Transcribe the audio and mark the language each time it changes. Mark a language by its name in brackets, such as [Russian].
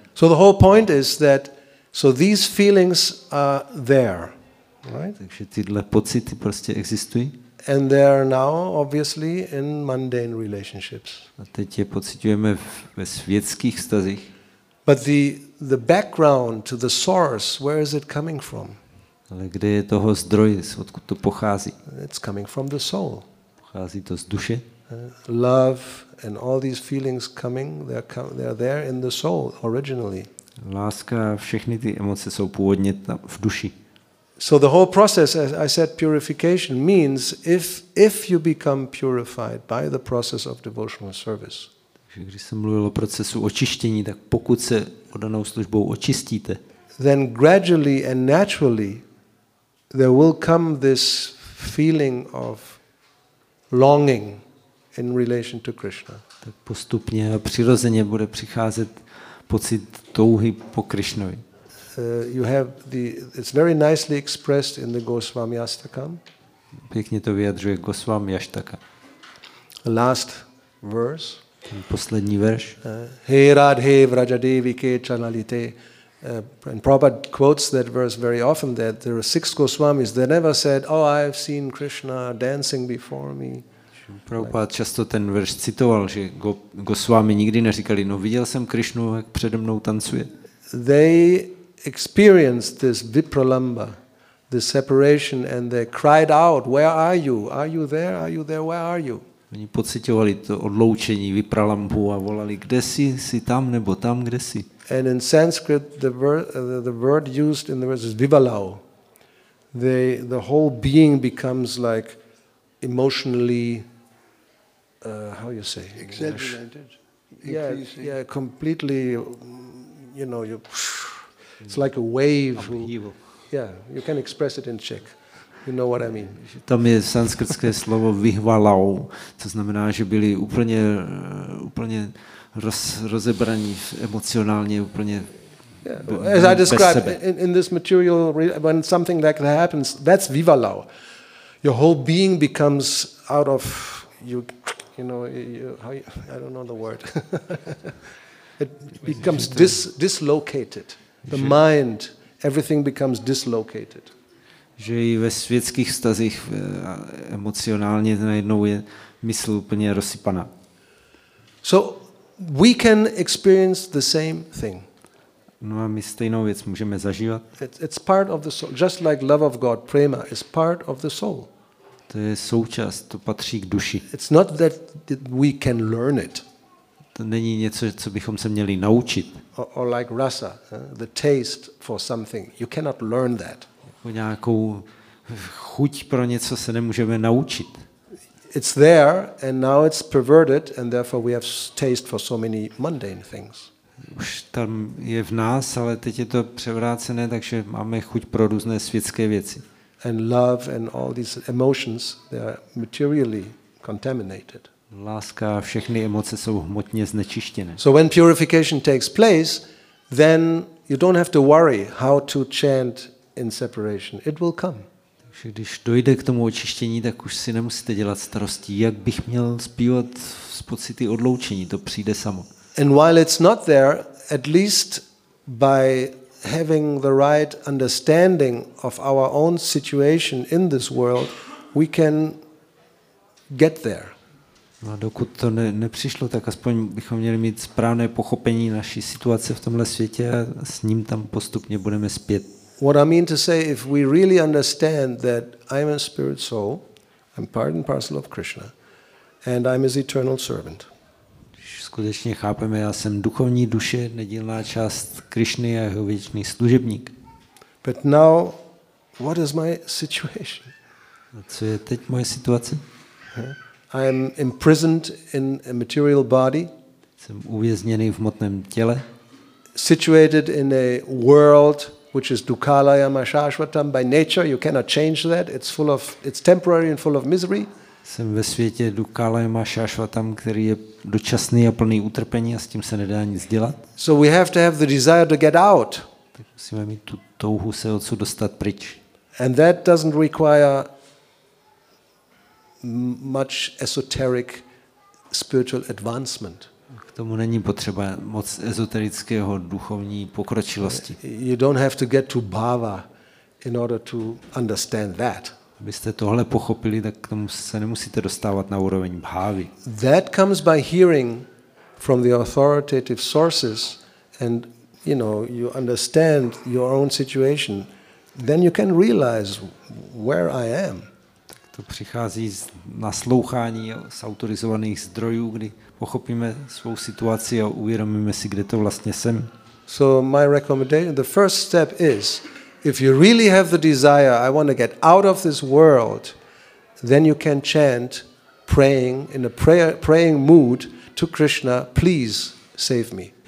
[English] So the whole point is that so these feelings are there, right? [Czech] Takže tyhle pocity prostě existují. [English] And they are now obviously in mundane relationships. [Czech] A teď je pociťujeme ve světských vztazích. [English] But the background to the source, where is it coming from? [Czech] Ale kde je toho zdroj, odkud to pochází? [English] It's coming from the soul. [Czech] Pochází to z duše. [English] Love and all these feelings coming, they are there in the soul originally. [Czech] Láska, všechny ty emoce jsou původně tam v duši. [English] So the whole process, as I said, purification means if you become purified by the process of devotional service. [Czech] Takže když jsem mluvil o procesu očištění, tak pokud se oddanou službou očistíte, [English] then gradually and naturally there will come this feeling of longing in relation to Krishna. [Czech] Tak postupně a přirozeně bude přicházet pocit touhy po Krishnovi. [English] You have it's very nicely expressed in the Goswami Astakam. [Czech] Pěkně to vyjadřuje Goswami Astaka. [English] Last verse. [Czech] Ten poslední verš. [Sanskrit] He Radhe Vrajadevike Chanalite. [English] And Prabhupada quotes that verse very often, that there are six Goswamis. They never said, oh, I've seen Krishna dancing before me. [Czech] Prabhupada často ten verš citoval, že Goswami nikdy neříkali, no viděl jsem Krishnu, jak přede mnou tancuje. [English] They experienced this vipralamba, this separation, and they cried out, where are you? Are you there? Are you there? Where are you? [Czech] Oni pocitovali to odloučení, vipralambu a volali, kde jsi? Jsi tam nebo tam, kde jsi? [English] And in Sanskrit, the word used in the verse is vivalau. The whole being becomes like emotionally, how you say? Exaggerated. Yeah, completely, you know, it's like a wave. Yeah, you can express it in Czech. You know what I mean. [Czech] Tam je sanskrtské slovo vihvalau, co znamená, že byli úplně rozebraní emocionálně, úplně bez sebe. [English] As I described in this material, when something like that happens, that's vihvalau. Your whole being becomes out of I don't know the word. It becomes dislocated. The mind, everything becomes dislocated. [Czech] Že i ve světských vztazích emocionálně najednou je mysl úplně rozsypaná. [English] So we can experience the same thing. [Czech] No a my stejnou věc můžeme zažívat. [English] It's part of the soul, just like love of God, prema is part of the soul. [Czech] To je součást, to patří k duši. [English] It's not that we can learn it. [Czech] To není něco, co bychom se měli naučit. [English] Or like rasa, the taste for something. You cannot learn that. [Czech] Jako nějakou chuť pro něco se nemůžeme naučit. [English] It's there and now it's perverted and therefore we have taste for so many mundane things. [Czech] Už tam je v nás, ale teď je to převrácené, takže máme chuť pro různé světské věci. [English] And love and all these emotions, they are materially contaminated. [Czech] Láska a všechny emoce jsou hmotně znečištěné. [English] So when purification takes place, then you don't have to worry how to chant in separation. It will come. [Czech] Takže když dojde k tomu očištění, tak už si nemusíte dělat starosti, jak bych měl zpívat z pocity odloučení, to přijde samo. [English] And while it's not there, at least by having the right understanding of our own situation in this world, we can get there. [Czech] No, dokud to nepřišlo, tak aspoň bychom měli mít správné pochopení naší situace v tomhle světě a s ním tam postupně budeme zpět. [English] What I mean to say, if we really understand that I am a spirit soul, I'm part and parcel of Krishna, and I'm his eternal servant. [Czech] Když skutečně chápeme, já jsem duchovní duše, nedílná část Krishny a jeho věčný služebník. [English] But now, what is my situation? [Czech] A co je teď moje situace? [English] I am imprisoned in a material body. [Czech] Jsem uvězněný v hmotném těle. [English] Situated in a world which is dukalaya mashashvatam by nature, you cannot change that. It's full of, it's temporary and full of misery. [Czech] Jsem ve světě dukalaya mashashvatam, který je dočasný a plný utrpení, a s tím se nedá nic dělat. [English] So we have to have the desire to get out. [Czech] Tak musíme mít tu touhu se odsud dostat pryč. [English] And that doesn't require much esoteric spiritual advancement. [Czech] K tomu není potřeba moc ezoterického duchovní pokročilosti. [English] You don't have to get to bhava in order to understand that. [Czech] Abyste tohle pochopili, tak k tomu se nemusíte dostávat na úroveň bhavy. [English] That comes by hearing from the authoritative sources, and you know, you understand your own situation, then you can realize where I am. [Czech] To přichází z naslouchání z autorizovaných zdrojů, kdy pochopíme svou situaci a uvědomíme si, kde to vlastně jsem. [English] So my recommendation, the first step is, if you really have the desire, I want to get out of this world, then you can chant, praying in a praying mood to Krishna, please save me.